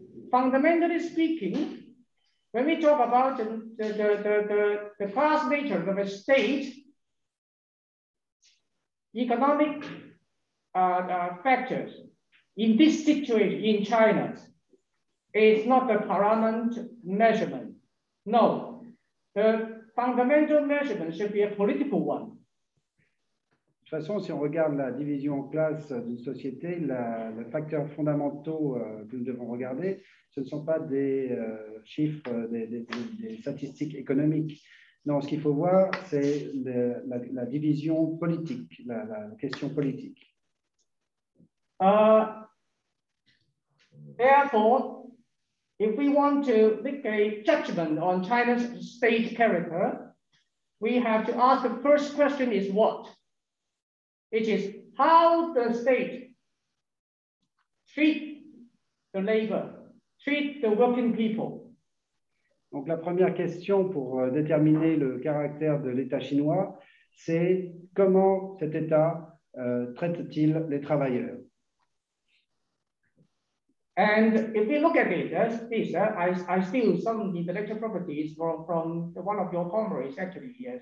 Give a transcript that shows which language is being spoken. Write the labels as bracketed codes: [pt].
[en] Fundamentally speaking, when we talk about the class nature of a state, economic factors in this situation in China is not the paramount measurement. No, the fundamental measurement should be a political one. [fr] De toute façon, si on regarde la division en classe d'une société, le facteur fondamental que nous devons regarder, ce ne sont pas des chiffres, des statistiques économiques. Non, ce qu'il faut voir, c'est la division politique, la question politique. [en] Therefore, if we want to make a judgment on China's state character, we have to ask the first question is what? It is how the state treat the labor. Treat the working people. [fr] Donc la première question pour déterminer le caractère de l'État chinois, c'est comment cet État traite-t-il les travailleurs? [en] And if we look at it, I steal some intellectual properties from one of your comrades, actually.